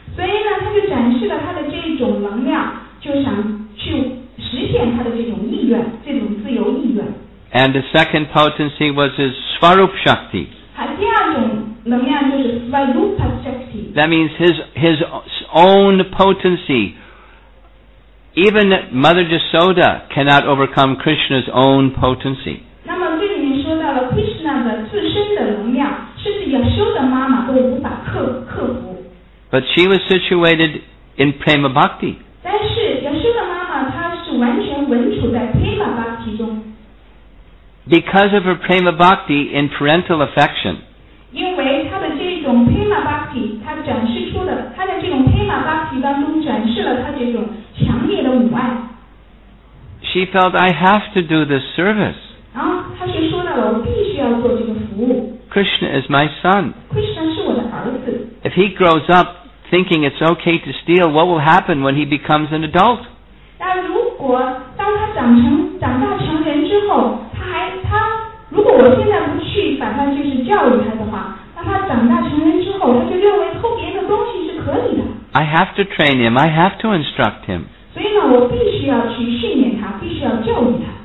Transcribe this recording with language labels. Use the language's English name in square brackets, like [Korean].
[Chinese] 所以呢，他就展示了他的这种能量，就想去实现他的这种意愿，这种自由意愿。 [English] And the second potency was his Swarup Shakti. [Chinese] 第二种能量就是 Swarupa Shakti. [English] That means his own potency. Even Mother Yashoda cannot overcome Krishna's own potency. [Chinese] 那么这里面说到了 Krishna 的自身的能量，甚至 Yashoda 妈妈都无法克服。 [English] But she was situated in Prema Bhakti. [Chinese] 但是 Yashoda 妈妈她是完全稳处在 Prema Bhakti 中。 [English] Because of her prema bhakti in parental affection, [Chinese] 因为她的这种 prema bhakti, 她展示出的，她在这种 prema bhakti 当中展示了她这种强烈的母爱。 [English] She felt, I have to do this service. [Chinese] 她就说到了，我必须要做这个服务。 [English] Krishna is my son. [Chinese] Krishna 是我的儿子。 [English] If he grows up thinking it's okay to steal, what will happen when he becomes an adult? [Chinese] 但如果当他长大成人之后，如果我现在不去反正就是教育他的话，当他长大成人之后，他就认为偷别人的东西是可以的。 [English] I have to train him, I have to instruct him. [Chinese] 所以呢，我必须要去训练他，必须要教育他。